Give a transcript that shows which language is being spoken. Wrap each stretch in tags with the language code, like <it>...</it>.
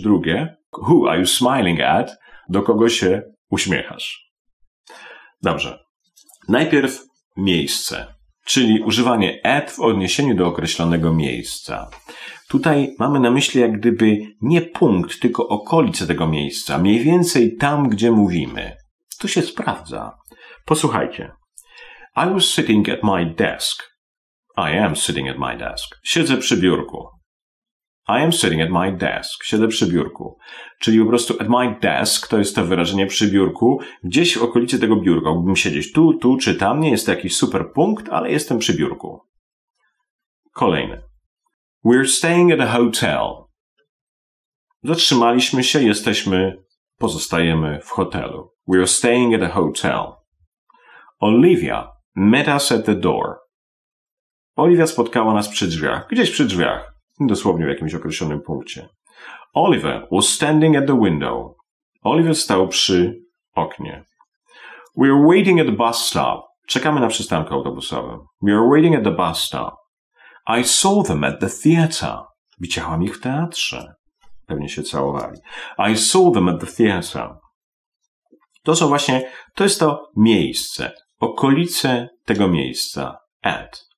<pl>Drugie,</pl> <en>who are you smiling at?</en> <pl>Do kogo się uśmiechasz? Dobrze. Najpierw miejsce, czyli używanie at w odniesieniu do określonego miejsca. Tutaj mamy na myśli jak gdyby nie punkt, tylko okolice tego miejsca. Mniej więcej tam, gdzie mówimy. To się sprawdza. Posłuchajcie.</pl> <en>I was sitting at my desk. I am sitting at my desk.</en> <pl>Siedzę przy biurku.</pl> <en>I am sitting at my desk. Siedzę przy biurku.</en> <pl>Czyli po prostu</pl> <en>at my desk</en> <pl>to jest to wyrażenie przy biurku. Gdzieś w okolicy tego biurka. Mógłbym siedzieć tu, czy tam. Nie jest to jakiś super punkt, ale jestem przy biurku. Kolejny.</pl> <en>We're staying at a hotel.</en> <pl>Zatrzymaliśmy się, pozostajemy w hotelu.</pl> <en>We're staying at a hotel. Olivia met us at the door.</en> <pl>Olivia spotkała nas przy drzwiach, gdzieś przy drzwiach, dosłownie w jakimś określonym punkcie.</pl> <en>Oliver was standing at the window.</en> <pl>Oliver stał przy oknie.</pl> <en>We're waiting at the bus stop.</en> <pl>Czekamy na przystanku autobusowym.</pl> <en>We're waiting at the bus stop. I saw them at the theater.</en> <pl>Widziałam ich w teatrze. Pewnie się całowali.</pl> <en>I saw them at the theater.</en> <pl>To są właśnie, to jest to miejsce, okolice tego miejsca. At.</pl>